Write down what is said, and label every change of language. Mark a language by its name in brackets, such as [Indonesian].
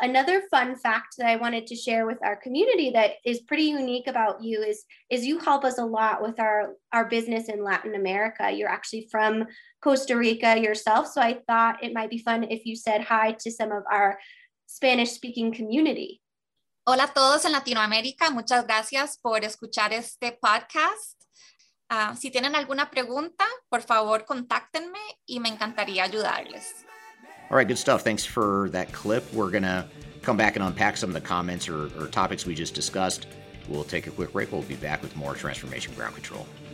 [English] Another fun fact that I wanted to share with our community that is pretty unique about you is you help us a lot with our business in Latin America. You're actually from Costa Rica yourself. So I thought it might be fun if you said hi to some of our Spanish-speaking community. [Spanish] Hola a todos en Latinoamérica. Muchas gracias por escuchar este podcast. Si tienen alguna pregunta, por favor, contáctenme y me encantaría ayudarles. [English] All right, good stuff. Thanks for that clip. We're going to come back and unpack some of the comments or topics we just discussed. We'll take a quick break. We'll be back with more Transformation Ground Control.